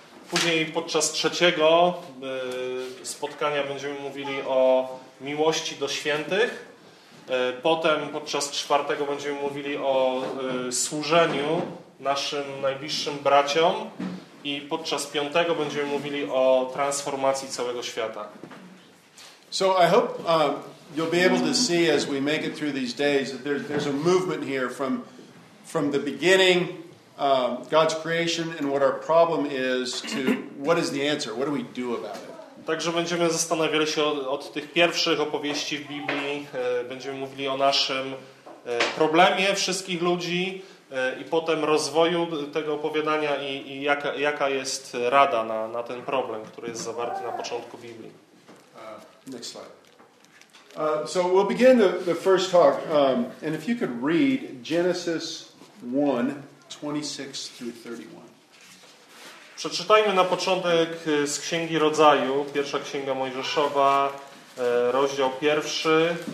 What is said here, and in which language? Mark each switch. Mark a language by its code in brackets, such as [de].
[pl] Później podczas trzeciego spotkania będziemy mówili o miłości do świętych. Potem podczas czwartego będziemy mówili o służeniu naszym najbliższym braciom i podczas piątego będziemy mówili o transformacji całego świata. [en] So I hope you'll be able to see as we make it through these days that there's a movement here from the beginning, God's creation and what our problem is to what is the answer, what do we do about it. [pl] Także będziemy zastanawiali się od tych pierwszych opowieści w Biblii, będziemy mówili o naszym problemie wszystkich ludzi i potem rozwoju tego opowiadania i jaka jest rada na ten problem, który jest zawarty na początku Biblii. [en] Next slide. So we'll begin the first talk. And if you could read Genesis 1:26-31. [pl] Przeczytajmy na początek z Księgi Rodzaju, pierwsza Księga Mojżeszowa, rozdział pierwszy,